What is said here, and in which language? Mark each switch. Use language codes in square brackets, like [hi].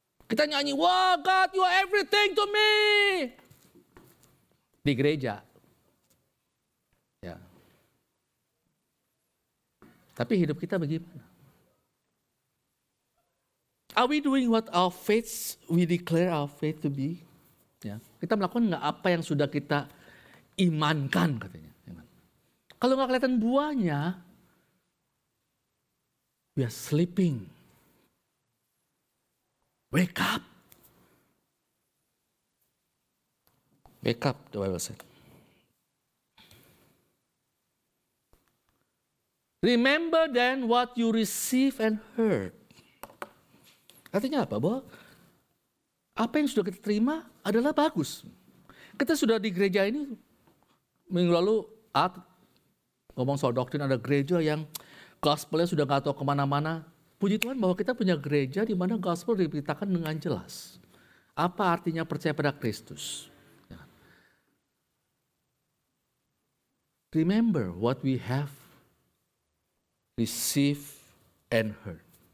[id] Kita nyanyi, [en] wow God, you are everything to me. [id] Di gereja. Yeah. Tapi hidup kita bagaimana? [en] Are we doing what our faith, we declare our faith to be? Yeah. [id] Kita melakukan gak apa yang sudah kita imankan katanya. Kalau gak kelihatan buahnya, [en] we are sleeping. Wake up. Wake up, the Bible said. Remember then what you receive and heard. [id] Artinya apa? Bahwa apa yang sudah kita terima adalah bagus. Kita sudah di gereja ini, minggu lalu Art ngomong soal doktrin, ada gereja yang gospelnya sudah gak tahu kemana-mana. Puji Tuhan bahwa kita punya gereja di mana gospel diberitakan dengan jelas. Apa artinya percaya pada Kristus? [en] Remember what we have received and heard.